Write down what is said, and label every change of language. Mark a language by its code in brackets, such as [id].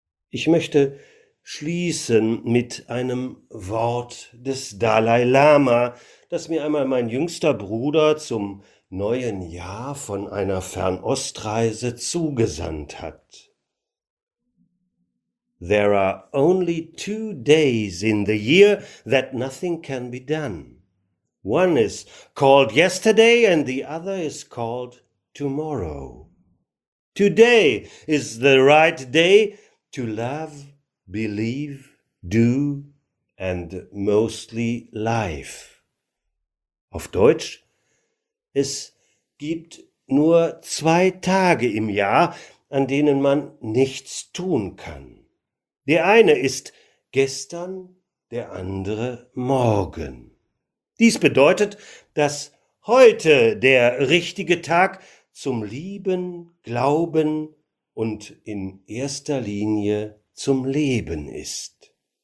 [de] Ich möchte schließen mit einem Wort des Dalai Lama, das mir einmal mein jüngster Bruder zum neuen Jahr von einer Fernostreise zugesandt hat. [en] There are only 2 days in the year that nothing can be done. One is called yesterday and the other is called tomorrow. Today is the right day to love, believe, do and mostly life. [de] Auf Deutsch: Es gibt nur 2 Tage im Jahr, an denen man nichts tun kann. Der eine ist gestern, der andere morgen. Dies bedeutet, dass heute der richtige Tag zum Lieben, Glauben und in erster Linie zum Leben ist.